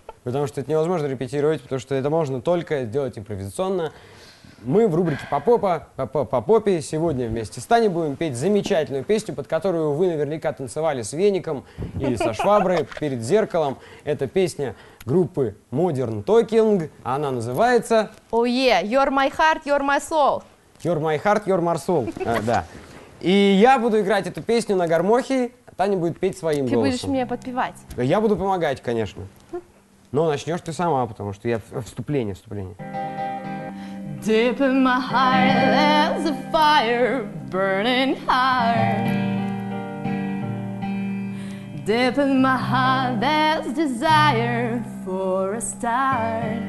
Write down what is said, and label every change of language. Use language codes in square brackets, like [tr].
[ru] Потому что это невозможно репетировать, потому что это можно только сделать импровизационно. Мы в рубрике «По попе» сегодня вместе с Таней будем петь замечательную песню, под которую вы наверняка танцевали с веником и со шваброй перед зеркалом. Это песня группы Modern Talking. Она называется... [en] Oh yeah, you're my heart, you're my soul. You're my heart, you're my soul, [ru] да. И я буду играть эту песню на гармохе, а Таня будет петь своим голосом. Ты будешь мне подпевать. Я буду помогать, конечно. Но начнешь ты сама, потому что я вступление. [en] Deep in my heart there's a fire burning hard. Deep in my heart there's desire for a star.